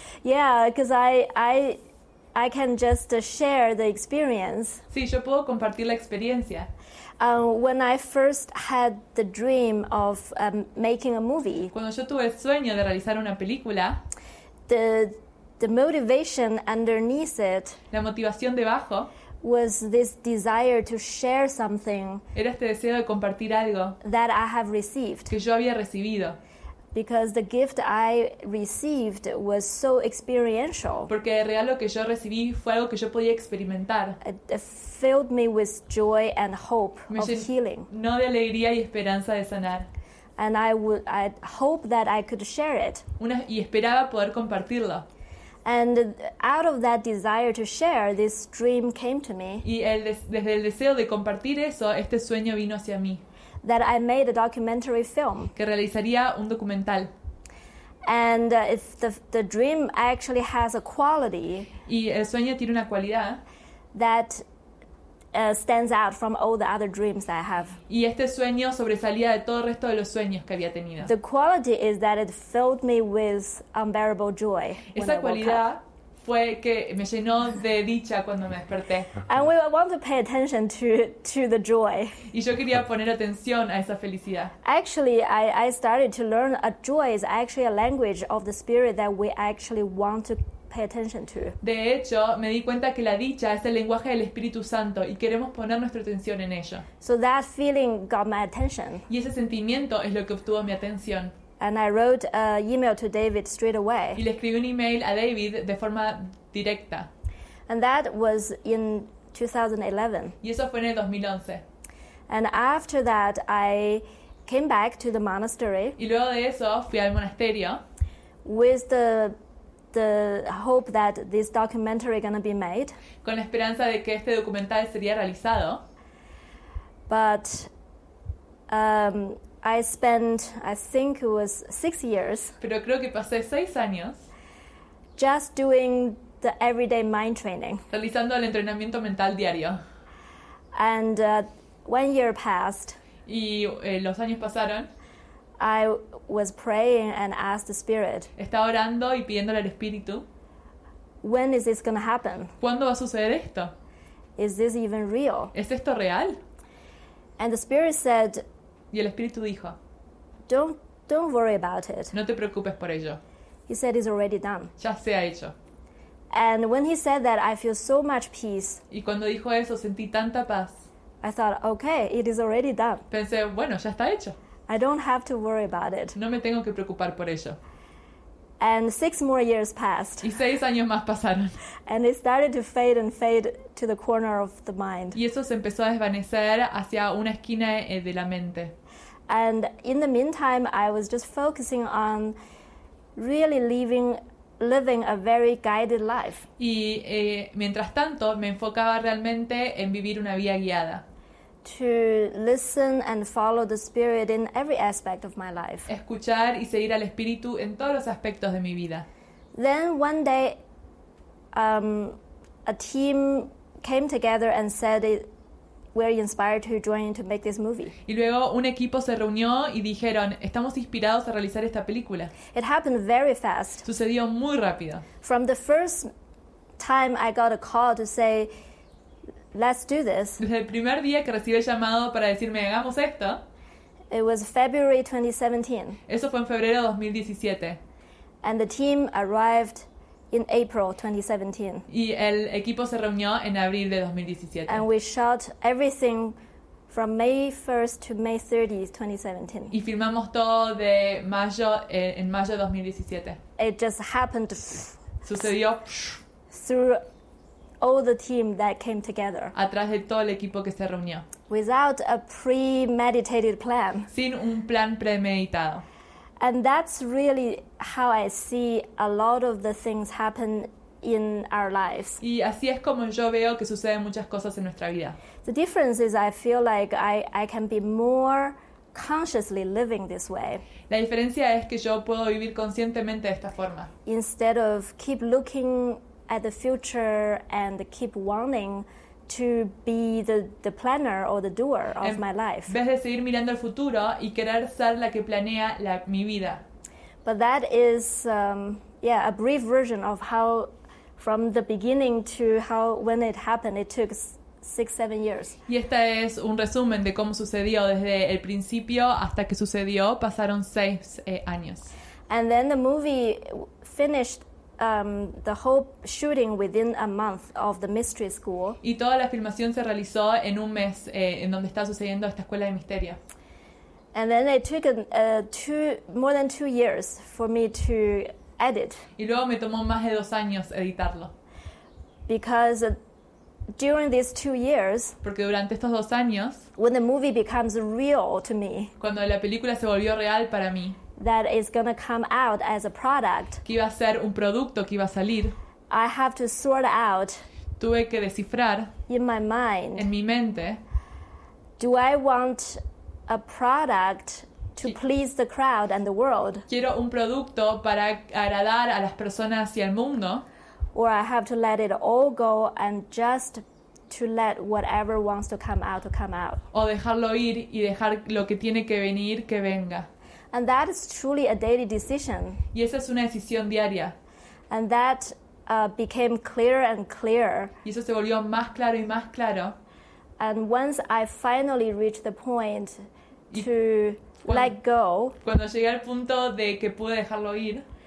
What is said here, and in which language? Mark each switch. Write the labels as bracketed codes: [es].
[en] Yeah, because I can just share the experience. [es] Sí, yo puedo compartir la experiencia. [en] When I first had the dream of making a movie, [es] cuando yo tuve el sueño de realizar una película, [en] the motivation underneath it, [es] la motivación debajo, [en] was this desire to share something, [es] era este deseo de compartir algo, [en] that I have received, [es] que yo había recibido. [en] Because the gift I received was so experiential. [es] Porque el regalo que yo recibí fue algo que yo podía experimentar. [en] It filled me with joy and hope of healing. [es] No de alegría y esperanza de sanar. [en] And I hope that I could share it. [es] Y esperaba poder compartirlo. [en] And out of that desire to share, this dream came to me. [es] Y desde el deseo de compartir eso, este sueño vino hacia mí. [en] That I made a documentary film. [es] Que realizaría un documental. [en] And if the dream actually has a quality. [es] Y el sueño tiene una cualidad. [en] That stands out from all the other dreams that I have. [es] Y este sueño sobresalía de todo el resto de los sueños que había tenido. [en] The quality is that it filled me with unbearable joy. [es] Esa cualidad fue que me llenó de dicha cuando me desperté. [en] And we want to pay attention to the joy. [es] Y yo quería poner atención a esa felicidad. [en] Actually, I started to learn a joy is actually a language of the spirit that we actually want to pay attention to. [es] De hecho, me di cuenta que la dicha es el lenguaje del Espíritu Santo y queremos poner nuestra atención en ello. [en] So that feeling got my attention. [es] Y ese sentimiento es lo que obtuvo mi atención. [en] And I wrote an email to David straight away. [es] Y le escribí un email a David de forma directa. [en] And that was in 2011. [es] Y eso fue en el 2011. [en] And after that, I came back to the monastery. [es] Y luego de eso, fui al monasterio. [en] With the hope that this documentary is going to be made. [es] Con la esperanza de que este documental sería realizado. [en] But I spent, I think it was 6 years. [es] Pero creo que pasé 6 años. [en] Just doing the everyday mind training. [es] Realizando el entrenamiento mental diario. [en] And 1 year passed. [es] Y los años pasaron. [en] I was praying and asked the spirit. [es] Estaba orando y pidiéndole al espíritu. [en] When is this going to happen? [es] ¿Cuándo va a suceder esto? [en] Is this even real? [es] ¿Es esto real? [en] And the spirit said. [es] Y el espíritu dijo, [en] don't worry about it. [es] No te preocupes por ello. [en] He said it's already done. [es] Ya se ha hecho. [en] And when he said that, I feel so much peace. [es] Y cuando dijo eso, sentí tanta paz. [en] I thought, okay, it is already done. [es] Pensé, bueno, ya está hecho. [en] I don't have to worry about it. [es] No me tengo que preocupar por ello. [en] And 6 more years passed. [es] Y 6 años más pasaron. [en] And it started to fade and fade to the corner of the mind. [es] Y eso se empezó a desvanecer hacia una esquina de la mente. [en] And in the meantime, I was just focusing on really living a very guided life. [es] Y mientras tanto, me enfocaba realmente en vivir una vida guiada. [en] To listen and follow the Spirit in every aspect of my life. [es] Escuchar y seguir al Espíritu en todos los aspectos de mi vida. [en] Then one day, a team came together and said it, we're inspired to join to make this movie. [es] Y luego un equipo se reunió y dijeron, estamos inspirados a realizar esta película. [en] It happened very fast. [es] Sucedió muy rápido. [en] From the first time I got a call to say, let's do this. [es] Desde el primer día que recibí el llamado para decirme, hagamos esto. [en] It was February 2017. [es] Eso fue en febrero 2017. [en] And the team arrived in April 2017. [es] Y el equipo se reunió en abril de 2017. [en] And we shot everything from May 1st to May 30th, 2017. [es] Y filmamos todo de mayo en mayo 2017. [en] It just happened. [es] Sucedió [en] through all the team that came together. [es] Atrás de todo el equipo que se reunió. [en] Without a premeditated plan. [es] Sin un plan premeditado. [en] And that's really how I see a lot of the things happen in our lives. [es] Y así es como yo veo que suceden muchas cosas en nuestra vida. [en] The difference is I feel like I can be more consciously living this way. [es] La diferencia es que yo puedo vivir conscientemente de esta forma. [en] Instead of keep looking at the future and keep wanting to be the planner or the doer of my life. [es] En vez de seguir mirando el futuro y querer ser la que planea mi vida. [en] But that is a brief version of how from the beginning to how when it happened it took 6-7 years. [es] Y esta es un resumen de cómo sucedió desde el principio hasta que sucedió, pasaron 6 años. [en] And then the movie finished the whole shooting within a month of the mystery school. [es] Y toda la filmación se realizó en un mes en donde está sucediendo esta escuela de misterio. [en] And then it took more than 2 years for me to edit. [es] Y luego me tomó más de 2 años editarlo. [en] Because during these 2 years, [es] porque durante estos 2 años, [en] when the movie becomes real to me, [es] cuando la película se volvió real para mí, [en] that is going to come out as a product, [es] que iba a ser un producto que iba a salir, [en] I have to sort out, [es] tuve que descifrar, [en] in my mind, [es] en mi mente, [en] do I want a product to please the crowd and the world? [es] Quiero un producto para agradar a las personas y al mundo. [en] Or I have to let it all go and just to let whatever wants to come out to come out. [es] O dejarlo ir y dejar lo que tiene que venir que venga. [en] And that is truly a daily decision. [es] Y esa es una decisión diaria. [en] And that became clearer and clearer. [es] Y eso se volvió más claro y más claro. [en] And once I finally reached the point to let go. [es] Cuando llegué al punto de que pude dejarlo ir.